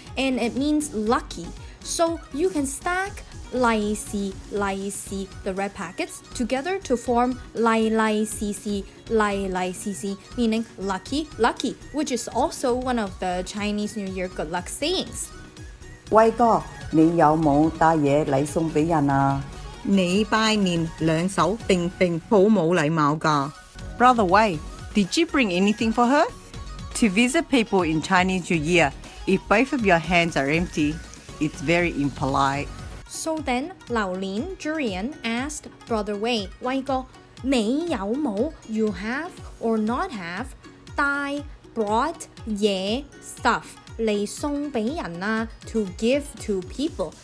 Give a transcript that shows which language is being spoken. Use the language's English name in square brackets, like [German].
[English] And it means lucky. So you can stack 嚟試, the red packets, together to form 嚟嚟試試, meaning lucky, which is also one of the Chinese New Year good luck sayings. [Cantonese] 威哥，你有冇帶嘢嚟送俾人啊？你拜年兩手並並，好冇禮貌噶。 [English] Brother Wei, did you bring anything for her? To visit people in Chinese New Year, if both of your hands are empty, it's very impolite. So then, 榴蓮, Durian, asked Brother Wei, 威哥, [Cantonese] 你有冇, [English] you have or not have, 帶, brought, 嘢, stuff, [Cantonese] 嚟送俾人啊, [English] to give to people.